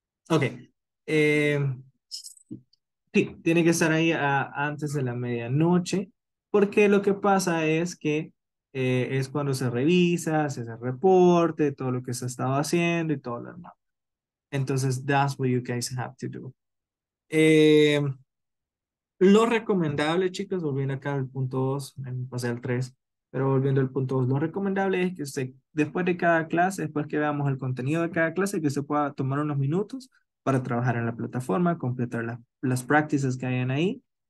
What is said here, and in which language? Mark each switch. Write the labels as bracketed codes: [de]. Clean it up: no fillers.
[es] Ok. Sí, tiene que estar ahí antes de la medianoche. Porque lo que pasa es que es cuando se revisa, se hace el reporte, todo lo que se ha estado haciendo y todo lo demás. Entonces, [en] that's what you guys have to do. [es] Lo recomendable, chicos, volviendo acá al punto 2, pasé al 3, pero volviendo al punto 2, lo recomendable es que usted, después de cada clase, después que veamos el contenido de cada clase, que usted pueda tomar unos minutos para trabajar en la plataforma, completar las practices que hayan ahí.